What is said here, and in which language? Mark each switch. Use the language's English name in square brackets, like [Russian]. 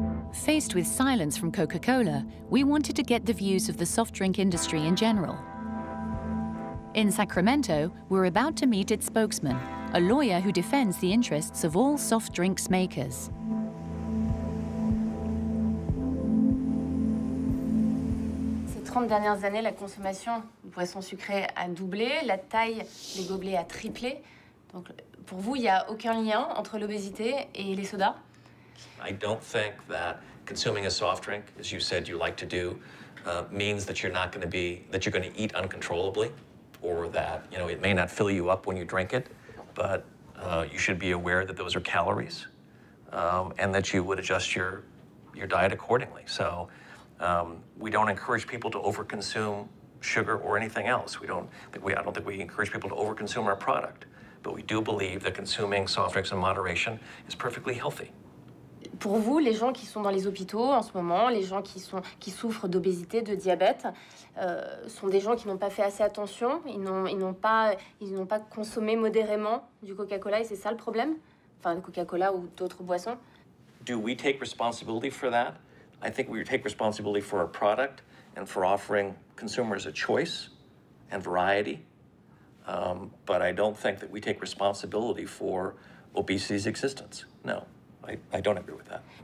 [English] Faced with silence from Coca-Cola, we wanted to get the views of the soft drink industry in general. In Sacramento, we're about to meet its spokesman, a lawyer who defends the interests of all soft drinks makers. [French] Ces 30 dernières années, la consommation de boissons sucrées a doublé, la taille des gobelets a triplé. Donc pour vous, il n'y a aucun lien entre l'obésité et les sodas? [English] I don't think that consuming a soft drink, as you said you like to do, means that you're not going to be, that you're going to eat uncontrollably, or that, you know, it may not fill you up when you drink it, but you should be aware that those are calories, and that you would adjust your diet accordingly. So we don't encourage people to overconsume sugar or anything else. I don't think we encourage people to overconsume our product, but we do believe that consuming soft drinks in moderation is perfectly healthy. [French] Pour vous, les gens qui sont dans les hôpitaux en ce moment, les gens qui souffrent d'obésité, de diabète, sont des gens qui n'ont pas fait assez attention, ils n'ont pas consommé modérément du Coca-Cola, et c'est ça le problème? Enfin, le Coca-Cola ou d'autres boissons? [English] Do we take responsibility for that? I think we take responsibility for our product and for offering consumers a choice and variety. But I don't think that we take responsibility for obesity's existence, no. I don't agree with that.